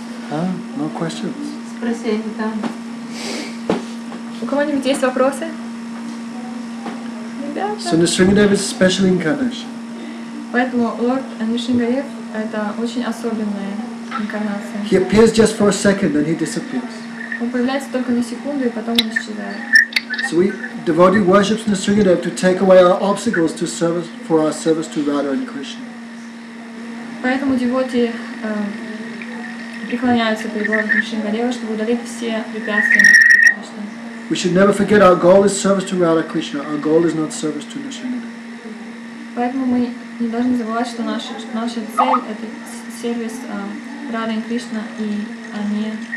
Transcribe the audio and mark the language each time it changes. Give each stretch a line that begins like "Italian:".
English: No questions.
Russian: Спросите там. У кого-нибудь есть вопросы?
English: So Nisringadev is special incarnation.
Russian: Поэтому Лорд Нисрингадев это очень особенная инкарнация.
English: He appears just for a second and he disappears.
Russian: Он появляется только на секунду и потом он исчезает.
English: So we devotee worships Nisringadev to take away our obstacles to service for our service to Radha and Krishna.
Russian: Поэтому девоты преклоняются перед Лордом Нисрингадевом, чтобы удалить все препятствия.
English: We should never forget our goal is service to Radha Krishna. Our goal is not service to Nisringadev.
Russian: Поэтому мы не должны забывать, что наша цель это сервис Радхе и Кришне и а не